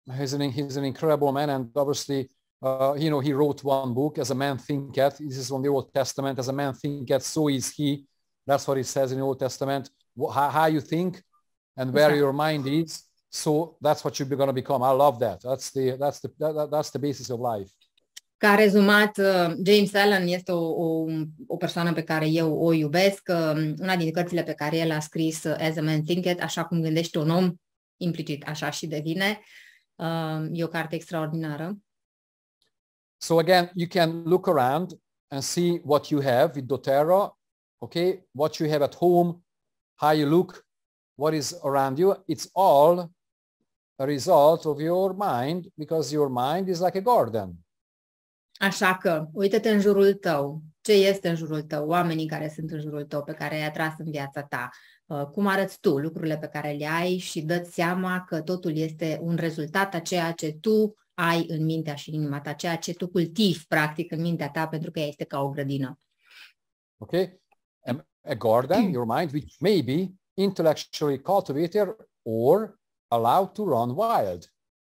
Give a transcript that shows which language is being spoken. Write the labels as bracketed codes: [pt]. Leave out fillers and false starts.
[en] He's an incredible man, and obviously, you know, he wrote one book, As a Man Thinketh. This is from the Old Testament. As a man thinketh, so is he. That's what it says in the Old Testament. How you think and where your mind is, so that's what you're going to become. I love that. That's the basis of life. [ro] Ca rezumat, James Allen este o persoană pe care eu o iubesc. Una din cărțile pe care el a scris, As a Man Thinketh, Așa cum gândește un om, implicit așa și devine, e o carte extraordinară. [en] So again, you can look around and see what you have with doTERRA, okay? What you have at home, how you look, what is around you. It's all a result of your mind, because your mind is like a garden. [ro] Așa că, uită-te în jurul tău. Ce este în jurul tău? Oamenii care sunt în jurul tău, pe care ai atras în viața ta. Cum arăți tu lucrurile pe care le ai și dă-ți seama că totul este un rezultat a ceea ce tu ai în mintea și inima ta, ceea ce tu cultivi, practic, în mintea ta, pentru că ea este ca o grădină. Ok? [en] A garden, your mind, which may be intellectually cultivated or allowed to run wild.